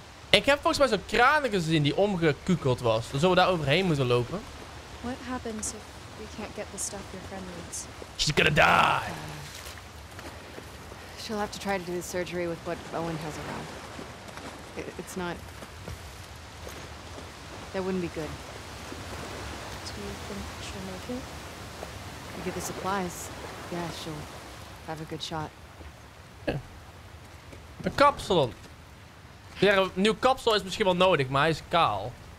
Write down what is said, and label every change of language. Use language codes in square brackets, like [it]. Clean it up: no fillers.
[nl] Ik heb volgens mij zo'n kraan gezien die omgekukeld was. Dan zullen we daar overheen moeten lopen. [en] What happens if we can't get the stuff your friend needs? She's gonna die! She'll have to try to do the surgery with what Owen has around. It's not... That wouldn't be good. Do you think she'll make it? You get the supplies, yeah, she'll have a good shot. [nl] Een kapsalon. Ja, een nieuw kapsel is misschien wel nodig, maar hij is kaal.